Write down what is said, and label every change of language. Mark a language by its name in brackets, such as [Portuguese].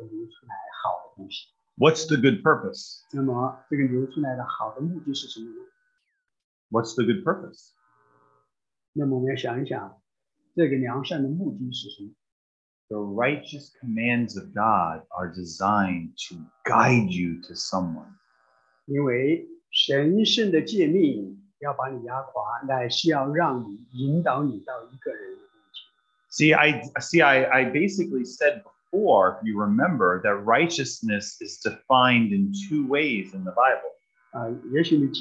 [Chinese] 这就是为什么当我们注目在公义的事情上的时候，我们感受到这个沉重和这个重压，但是这个沉重和重压就把我们压碎，当我们压碎的时候，会流出来好的东西。 [English] What's the good purpose? [Chinese] 那么这个流出来的好的目的是什么呢? [English] What's the good purpose? [Chinese] 那么我们要想一想，这个良善的目的是什么? [English] The righteous commands of God are designed to guide you to someone. [Chinese] 因为神圣的诫命要把你压垮，乃是要让你引导你到一个人。 [English] See, I basically said before. Or if you remember that righteousness is defined in two ways in the Bible.